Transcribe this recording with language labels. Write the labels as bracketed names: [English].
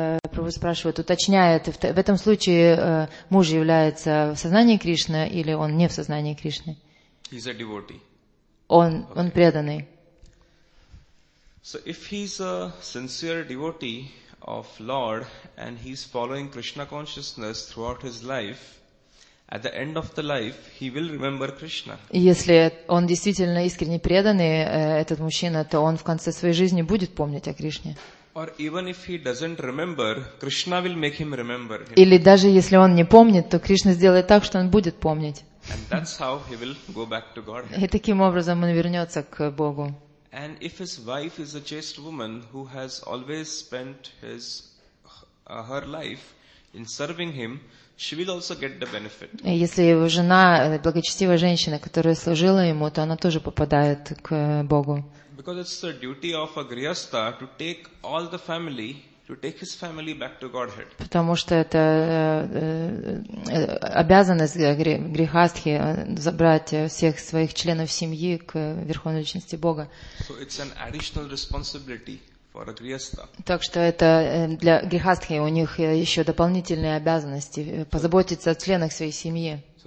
[Russian] Прабху спрашивает, уточняет, в этом случае муж является в сознании Кришны или он не в сознании Кришны? [English] He's a devotee. [Russian] Он преданный. [English] So if he's a sincere devotee of Lord and he's following Krishna consciousness throughout his life, at the end of the life, he will remember Krishna. [Russian] Если он действительно искренне преданный, этот мужчина, то он в конце своей жизни будет помнить о Кришне. [English] Or even if he doesn't remember, Krishna will make him remember. [Russian] Или даже если он не помнит, то Кришна сделает так, что он будет помнить. [English] And that's how he will go back to God. [Russian] И таким образом он вернется к Богу. [English] And if his wife is a chaste woman who has always spent his her life in serving him, she will also get the benefit. [Russian] Если его жена благочестивая женщина, которая служила ему, то она тоже попадает к Богу. [English] Because it's the duty of a grihastha to take all the family, to take his family back to Godhead. [Russian] Потому что это обязанность грихастхи забрать всех своих членов семьи к верховной личности Бога. [English] So it's an additional responsibility. [Russian] Так что это для грихастхи, у них еще дополнительные обязанности позаботиться о членах своей семьи.